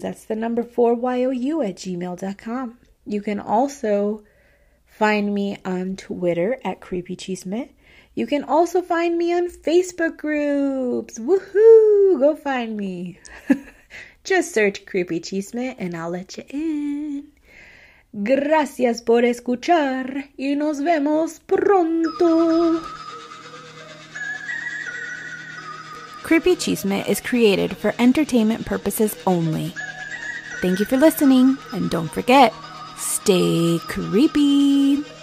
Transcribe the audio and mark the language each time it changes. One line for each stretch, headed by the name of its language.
English: That's the number 4YOU at gmail.com. You can also find me on Twitter at creepychisme. You can also find me on Facebook groups. Woohoo! Go find me. Just search Creepy Chisme and I'll let you in.
Spanish: Gracias por escuchar y nos vemos pronto.
English: Creepy Chisme is created for entertainment purposes only. Thank you for listening, and don't forget, stay creepy.